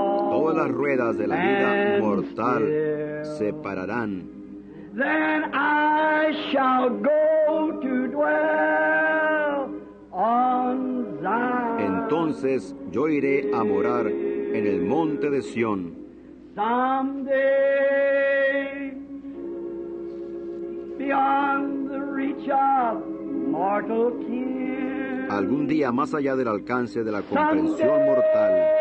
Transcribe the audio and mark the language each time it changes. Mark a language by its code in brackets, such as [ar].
[es] Todas las ruedas de la vida mortal se pararán. [en] Then I shall go to dwell on Zion. [es] Entonces yo iré a morar en el monte de Sion. [en] Someday, beyond the reach of mortal kin. [es] Algún día más allá del alcance de la comprensión mortal.